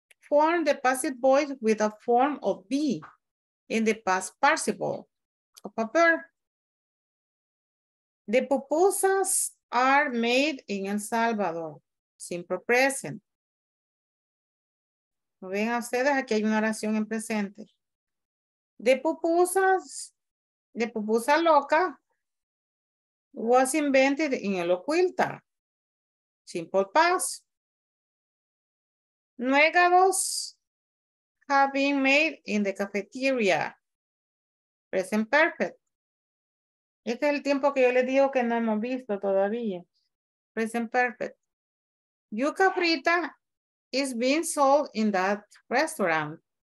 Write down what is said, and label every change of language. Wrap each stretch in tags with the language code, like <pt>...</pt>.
<en>Form the passive voice with a form of be in the past participle of a verb. The proposals are made in El Salvador, simple present.</en> <es>Ven a ustedes, aquí hay una oración en presente.</es> <en>The pupusa loca was invented in El Oculta, simple past. Nuegados have been made in the cafeteria. Present perfect.</en> <es>Este es el tiempo que yo les digo que no hemos visto todavía.</es> <en>Present perfect. Yuca frita is being sold in that restaurant.</en>